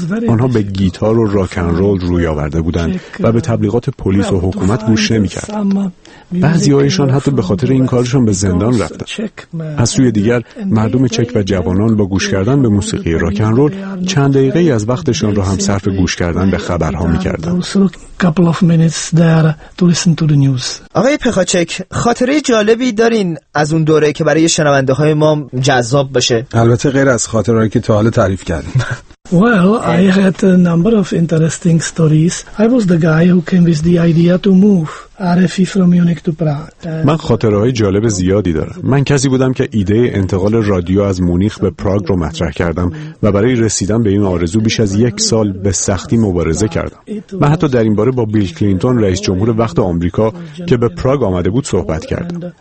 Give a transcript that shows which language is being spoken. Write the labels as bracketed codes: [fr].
[fa] آنها به گیتار و راکن رول روی آورده بودند و به تبلیغات پلیس و حکومت گوش نمی‌کردند. بعضی هایشان حتی به خاطر این کارشان به زندان رفتند. از سوی دیگر مردم چک و جوانان با گوش کردن به موسیقی راکن رول چند دقیقه از وقتشان را هم صرف گوش کردن به خبرها می‌کردند. [en] couple of minutes there to listen to the news. [fa] آقای پخاچک، خاطره جالبی دارین از اون دوره که برای شنونده های ما جذاب باشه؟ البته غیر از خاطره هایی که تا حالا تعریف کردیم. [en] Well, I had a number of interesting stories. I was the guy who came with the idea to move RFI from Munich to Prague. [fa] من خاطره های جالب زیادی دارم. من کسی بودم که ایده انتقال رادیو از مونیخ به پراگ رو مطرح کردم و برای رسیدن به این آرزو بیش از یک سال به سختی مبارزه کردم. من حتی در این باره با بیل کلینتون، رئیس جمهور وقت آمریکا که به پراگ آمده بود، صحبت کردم.